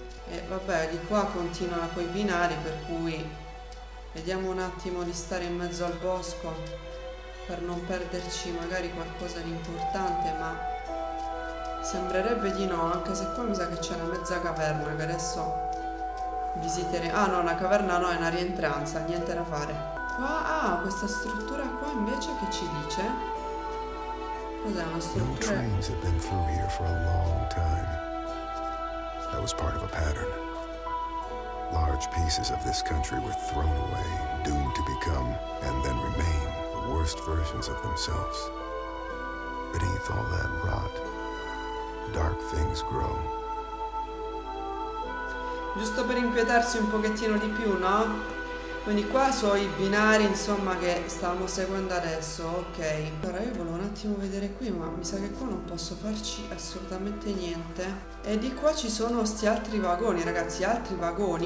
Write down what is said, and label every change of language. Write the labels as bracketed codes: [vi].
[it] E vabbè, di qua continuano quei binari, per cui vediamo un attimo di stare in mezzo al bosco per non perderci magari qualcosa di importante, ma sembrerebbe di no, anche se qua mi sa che c'è una mezza caverna che adesso visiteremo. Ah no, una caverna no, è una rientranza, niente da fare. Qua, ah, questa struttura qua invece che ci dice? Cos'è una struttura? [en] No trains have been through here for a long time. That was part of a pattern. Large pieces of this country were thrown away, doomed to become and then remain the worst versions of themselves. Beneath all that rot, dark things grow. [it] giusto per inquietarsi un pochettino di più, no? Quindi qua sono i binari, insomma, che stavamo seguendo adesso, ok. Allora io volevo un attimo vedere qui, ma mi sa che qua non posso farci assolutamente niente. E di qua ci sono sti altri vagoni, ragazzi, altri vagoni.